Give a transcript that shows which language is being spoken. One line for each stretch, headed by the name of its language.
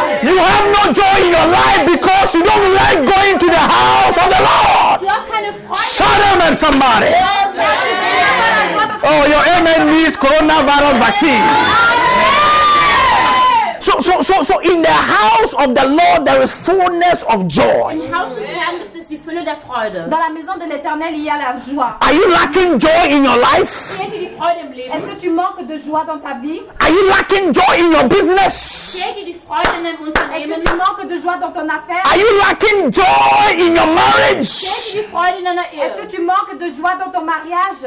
English: You have no joy in your life because you don't like going to the house of the Lord. Shout amen, somebody. Oh, your amen means coronavirus vaccine. So in the house of the Lord there is fullness of joy.
French: Dans la maison de l'Éternel il y a la joie.
English: Are you lacking joy in your life?
French: Est-ce que tu manques de joie dans ta vie?
English: Are you lacking joy in your business?
French: Est-ce que tu manques de joie dans ton affaire?
English: Are you lacking joy in your marriage?
French: Est-ce que tu manques de joie dans ton mariage?